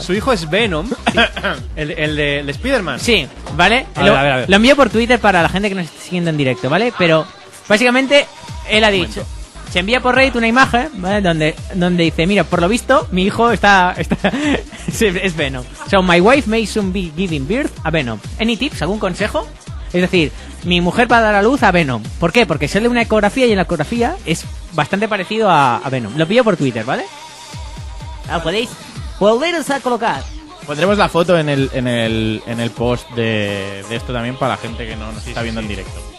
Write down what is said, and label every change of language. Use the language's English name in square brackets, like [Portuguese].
[Spanish] ¿Su hijo es Venom? ¿El de el Spider-Man? Sí, ¿vale? A ver. Lo envío por Twitter para la gente que nos está siguiendo en directo, ¿vale? Pero básicamente, él ha dicho... Se envía por Reddit una imagen, ¿vale?, donde dice, mira, por lo visto, mi hijo está es Venom. [English] So, my wife may soon be giving birth a Venom. ¿Any tips? [Spanish] ¿Algún consejo? Es decir, mi mujer va a dar a luz a Venom. ¿Por qué? Porque sale una ecografía y en la ecografía es bastante parecido a Venom. Lo pillo por Twitter, ¿vale? Ah, ¿podéis? Volveros a colocar. Pondremos la foto en el post de esto también para la gente que no nos está viendo en directo.